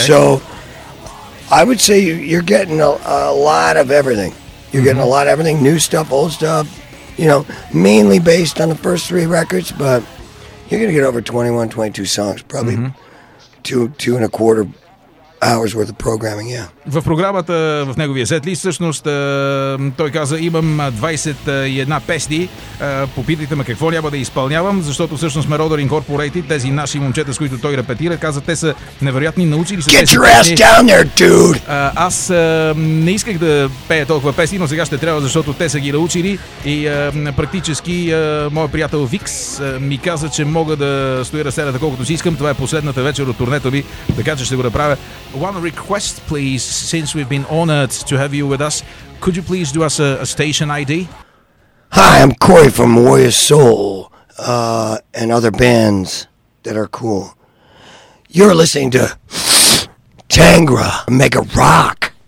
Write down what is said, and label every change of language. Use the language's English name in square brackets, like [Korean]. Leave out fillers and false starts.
[English] So I would say you're getting a lot of everything. You're mm-hmm. getting a lot of everything, new stuff, old stuff, you know, mainly based on the first three records, but you're going to get over 21, 22 songs, probably mm-hmm. two and a quarter hours worth of programming, yeah. [Bulgarian] В програмата, в неговия сетлист, всъщност, той каза, имам 21 песни, попитайте ме какво няма да изпълнявам, защото всъщност Marauder Incorporated, тези наши момчета, с които той репетира, каза, те са невероятни, научили са [English] Get [Bulgarian] тези [English] your ass Down there, dude! [Bulgarian] Аз не исках да пея толкова песни, но сега ще трябва, защото те са ги научили и практически моят приятел Викс ми каза, че мога да стоя на сцената колкото си искам, това е последната вечер от турнето ми, така че ще го направя. [English] One request, please. Since we've been honored to have you with us, could you please do us a station ID? Hi, I'm Corey from Warrior Soul and other bands that are cool. You're listening to Tangra Mega Rock.